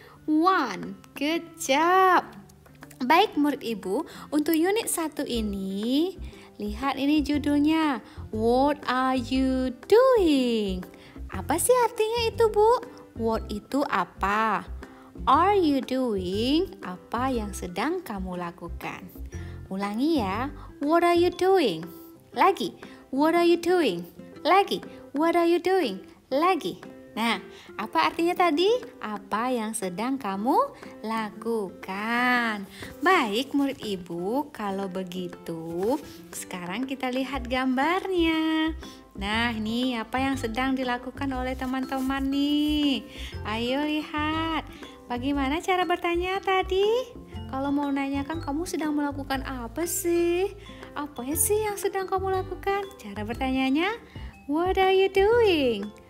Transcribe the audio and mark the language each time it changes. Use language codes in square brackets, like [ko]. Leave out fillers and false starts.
[en] One. Good job. [id] Baik, murid ibu, untuk unit 1 ini, lihat ini judulnya, [en] what are you doing? [id] Apa sih artinya itu, Bu? What itu apa? [en] Are you doing? [id] Apa yang sedang kamu lakukan? Ulangi ya, [en] what are you doing? [id] Lagi, [en] what are you doing? Lagi, what are you doing? Lagi. [id] Nah, apa artinya tadi? Apa yang sedang kamu lakukan? Baik, murid ibu, kalau begitu, sekarang kita lihat gambarnya. Nah, ini apa yang sedang dilakukan oleh teman-teman nih? Ayo lihat. Bagaimana cara bertanya tadi? Kalau mau nanya kan, kamu sedang melakukan apa sih? Apa sih yang sedang kamu lakukan? Cara bertanyanya, [en] what are you doing?